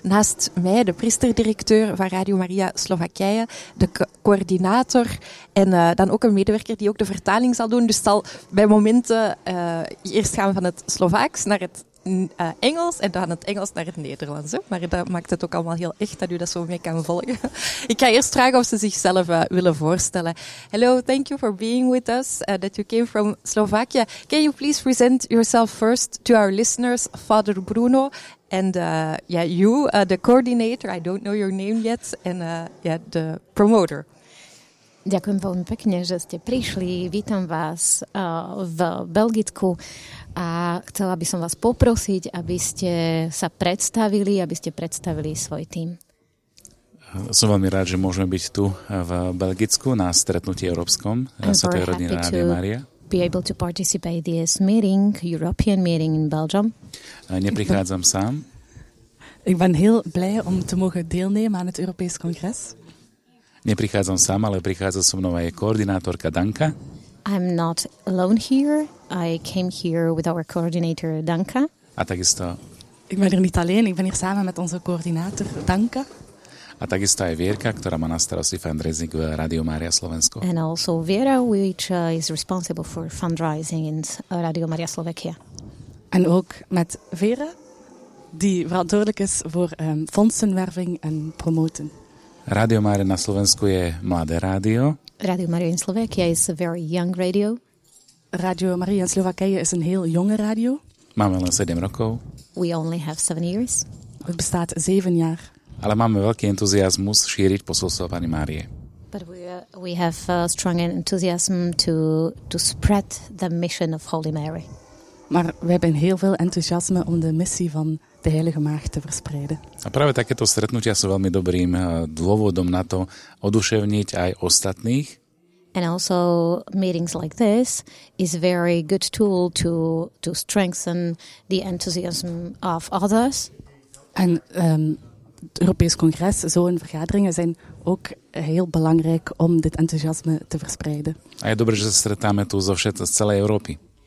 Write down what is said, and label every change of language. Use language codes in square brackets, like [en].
[nl] Naast mij, de priesterdirecteur van Radio Maria Slowakije, de coördinator en dan ook een medewerker die ook de vertaling zal doen. Dus zal bij momenten eerst gaan van het Slovaaks naar het Engels en dan het Engels naar het Nederlands. Hè? Maar dat maakt het ook allemaal heel echt dat u dat zo mee kan volgen. Ik ga eerst vragen of ze zichzelf willen voorstellen. [en] Hello, thank you for being with us, that you came from Slovakia. Can you please present yourself first to our listeners, Father Bruno, and the coordinator, I don't know your name yet, and the promoter. [sk] Ďakujem veľmi pekne, že ste prišli. Vítam vás v Belgicku a chcela by som vás poprosiť, aby ste sa predstavili, aby ste predstavili svoj tím. Som veľmi rád, že môžeme byť tu v Belgicku na stretnutí európskom Svätej rodiny Rádia Mária. [en] Be able to participate this meeting, European meeting in Belgium. [sk] Neprichádzam sám. [nl] Ik ben heel blij om te mogen deelnemen aan het Europees congres. [sk] Neprichádzam sám, ale prichádza so mnou aj koordinátorka Danka. [en] I'm not alone here. I came here with our coordinator Danka. [sk] A takisto. [nl] Ik ben hier niet alleen, ik ben hier samen met onze coördinátor Danka. [sk] A takisto aj Vierka, ktorá má na starosti fundraising v Rádiu Mária Slovensko. [en] And also Vera, which is responsible for fundraising in Rádiu Mária Slovakia. [nl] En ook met Vera, die verantwoordelijk is voor fondsenwerving en promoten. [sk] Rádio Mária na Slovensku je mladé rádio. [en] Rádio Mária in Slovakia is a very young radio. [nl] Rádio Mária in Slovakia is een heel jonge radio. [sk] Máme len 7 rokov. [en] We only have 7 years. [nl] Het bestaat 7 jaar. [sk] Ale máme veľký entuziasmus šíriť posolstvo Pani Márie. [en] But we have a strong enthusiasm to spread the mission of Holy Mary. [nl] Maar we hebben heel veel enthousiasme om de missie van de Heilige Maagd te verspreiden. [sk] A práve takéto stretnutia sú veľmi dobrým dôvodom na to oduševniť aj ostatných. [en] And also meetings like this is very good tool to strengthen the enthusiasm of others. [nl] En het Europees Congres, zo'n vergaderingen zijn ook heel belangrijk om dit enthousiasme te verspreiden. [sk] A je dobré, že sa stretáme tu zo všetko z celej Európy.